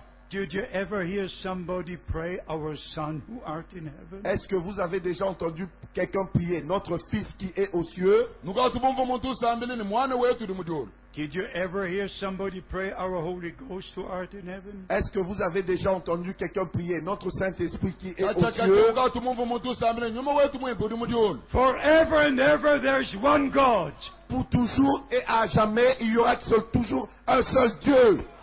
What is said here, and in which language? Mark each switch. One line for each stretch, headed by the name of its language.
English: Did you ever hear somebody pray, our Son who art in heaven?
French: Est-ce que vous avez déjà entendu quelqu'un prier, notre Fils qui est aux cieux?
English: Did you ever hear somebody pray, our Holy Ghost who art in heaven?
French: Est-ce que vous avez déjà entendu quelqu'un prier, notre Saint-Esprit qui est aux cieux?
English: Forever and ever there is one God.
French: Pour toujours et à jamais, il y aura toujours un seul Dieu.